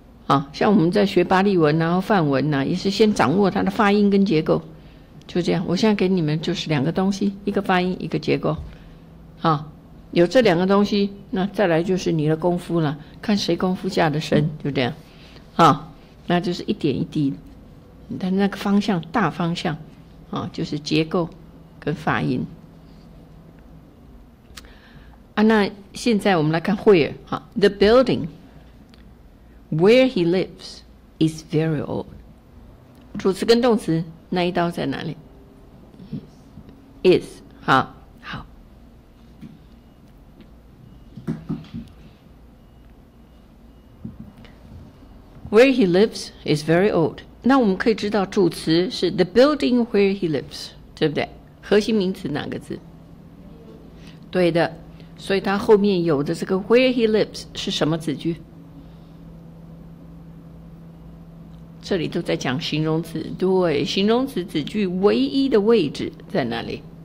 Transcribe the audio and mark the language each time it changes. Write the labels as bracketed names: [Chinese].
[Chinese] 啊，像我们在学巴利文啊、梵文啊，也是先掌握它的发音跟结构，就这样。我现在给你们就是两个东西，一个发音，一个结构，啊，有这两个东西，那再来就是你的功夫了，看谁功夫下的深，就这样，啊，那就是一点一滴，但那个方向大方向，啊，就是结构跟发音。啊，那现在我们来看 where 啊 ，the building。 [English] Where he lives is very old. [Chinese] 主词跟动词那一刀在哪里 ？Is 好，好。 [English] Where he lives is very old. [Chinese] 那我们可以知道主词是 [English] the building where he lives， [Chinese] 对不对？核心名词哪个字？对的，所以它后面有的这个 [English] where he lives [Chinese] 是什么子句？这里都在讲形容词，对，形容词子句唯一的位置在哪里？